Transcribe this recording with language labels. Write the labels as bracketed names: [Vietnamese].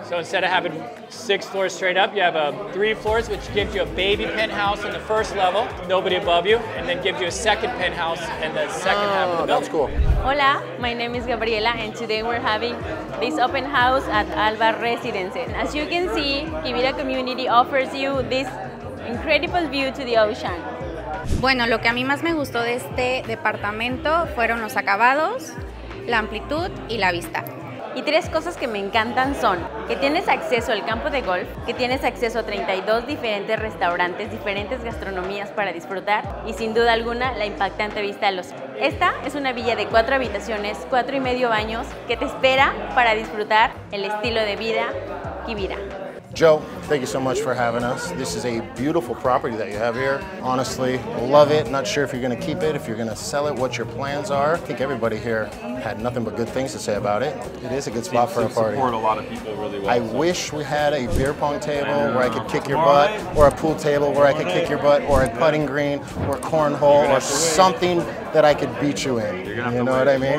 [English] So instead of having 6 floors straight up, you have 3 floors, which gives you a baby penthouse on the first level, nobody above you, and then gives you a second penthouse and the second half of the building. That's cool. [Spanish] Hola, [English] my name is Gabriela, and today we're having this open house at Alvar Residence. And as you can see, Quivira Community offers you this incredible view to the ocean. [Spanish] Bueno, lo que a mí más me gustó de este departamento fueron los acabados, la amplitud y la vista. Y 3 cosas que me encantan son que tienes acceso al campo de golf, que tienes acceso a 32 diferentes restaurantes, diferentes gastronomías para disfrutar y sin duda alguna la impactante vista al océano. Esta es una villa de 4 habitaciones, 4 y medio baños que te espera para disfrutar el estilo de vida Quivira. [English] Joe, thank you so much for having us. This is a beautiful property that you have here. Honestly, love it. Not sure if you're gonna keep it, if you're gonna sell it, what your plans are. I think everybody here had nothing but good things to say about it. It is a good spot for a party. Support a lot of people really well. I wish we had a beer pong table where I could kick your butt, or a pool table where I could kick your butt, or a putting green, or cornhole, or something that I could beat you in. You know what I mean?